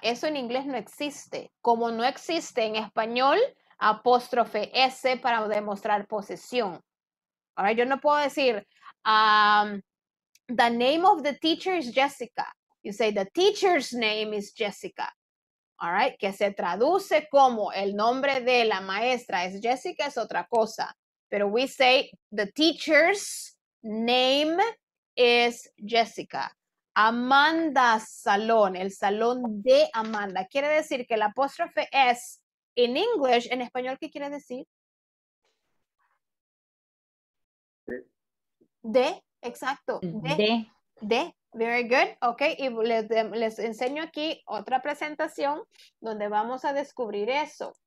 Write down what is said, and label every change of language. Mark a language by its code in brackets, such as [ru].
[es] Eso en inglés no existe. Como no existe en español, apóstrofe S para demostrar posesión. Ahora yo no puedo decir... [en] The name of the teacher is Jessica. You say the teacher's name is Jessica. All right? [es] Que se traduce como el nombre de la maestra es Jessica es otra cosa. [en] Pero we say the teacher's name is Jessica. [es] Amanda's Salón, el salón de Amanda. Quiere decir que la apóstrofe S [en] in English, [es] en español, ¿qué quiere decir? De. Exacto. De. [en] Very good. Ok. [es] Y les enseño aquí otra presentación donde vamos a descubrir eso.